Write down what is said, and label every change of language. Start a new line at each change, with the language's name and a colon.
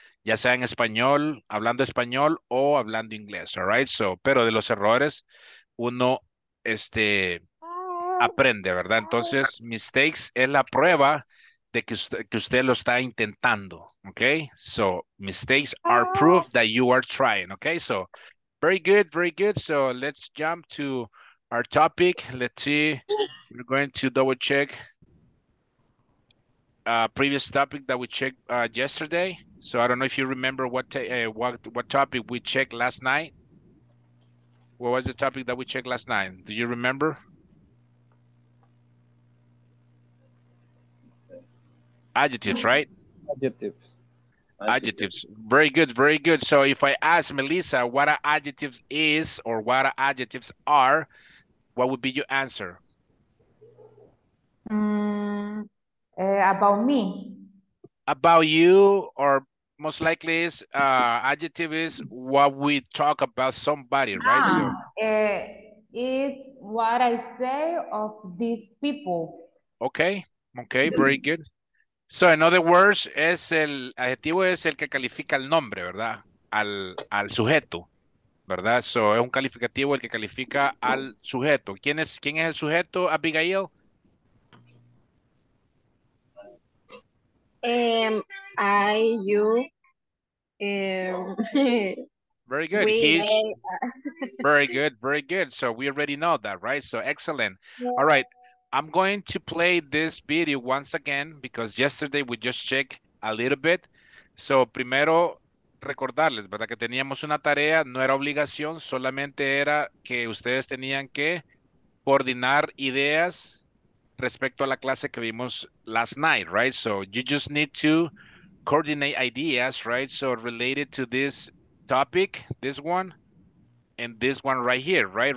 Spanish: Ya sea en español, hablando español o hablando inglés, all right? So, pero de los errores, uno aprende, ¿verdad? Entonces, mistakes es la prueba de que usted lo está intentando, okay?
English: So, mistakes are proof that you are trying, okay? So, very good, very good. So, let's jump to our topic. Let's see, we're going to double check previous topic that we checked yesterday. So I don't know if you remember what topic we checked last night. What was the topic that we checked last night? Do you remember? Adjectives, right? Adjectives. Very good, very good. So if I ask Melissa what are adjectives is or what are adjectives are, what would be your answer? About me. About you, or most likely is adjective is what we talk about somebody, right? So, it's what I say of these people. Okay, very good. So in other words,
Spanish: es el adjetivo es el que califica el nombre, ¿verdad? Al sujeto, ¿verdad? So es un calificativo el que califica al sujeto. ¿Quién es el sujeto, Abigail?
English: I, you, very good. Very good, very good. So we already know that, right? So excellent. All right, I'm going to play this video once again because yesterday we just checked a little bit.
Spanish: So primero recordarles, ¿verdad? Que teníamos una tarea, no era obligación, solamente era que ustedes tenían que coordinar ideas respecto a la clase que vimos
English: last night, right? So you just need to coordinate ideas, right? So related to this topic, this one, and this one right here, right?